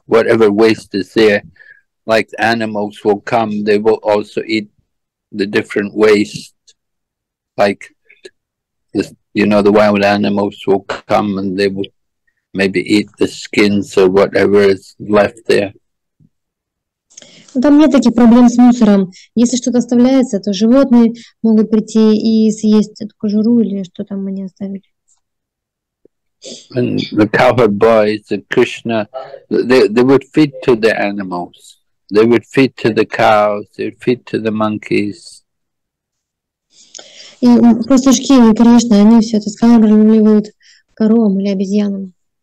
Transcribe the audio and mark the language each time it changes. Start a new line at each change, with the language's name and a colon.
English: Whatever waste is there, like animals will come, they will also eat the different waste, like the, you know, the wild animals will come and they will maybe eat the skins or whatever is left there.
Russian: Там нет таких проблем с мусором. Если что-то оставляется, то животные могут прийти и съесть эту кожуру или что там они оставили.
English: And the cowherd boys and Krishna, they would feed to the animals. They would feed to the cows, they would feed to the monkeys.
Russian: И пастушки, и Кришна, они все это скармливают коровам или обезьянам.